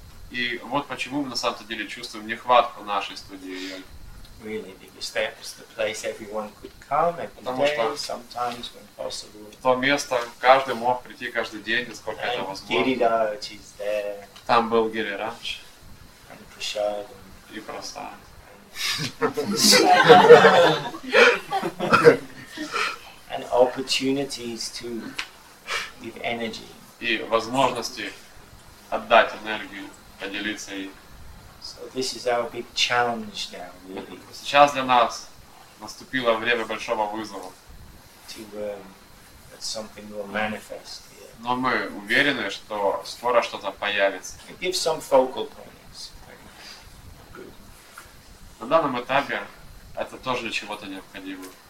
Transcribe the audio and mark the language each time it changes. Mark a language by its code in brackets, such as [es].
[ru] И вот почему мы на самом деле чувствуем нехватку нашей студии йоги. [en] Really, because that was the place everyone could come every day, sometimes when possible. [ru] То место каждый мог прийти каждый день, насколько это возможно. Там был Гирирадж. [en] And Прасад. [ru] И просто. [en] And opportunities to give energy. [ru] И возможности отдать энергию, поделиться ей. [en] So this is our big challenge now, really. [ru] Сейчас для нас наступило время большого вызова. [en] That something will manifest here. [ru] Но мы уверены, что скоро что-то появится. [en] And give some focal points. [ru] На данном этапе это тоже для чего-то необходимо.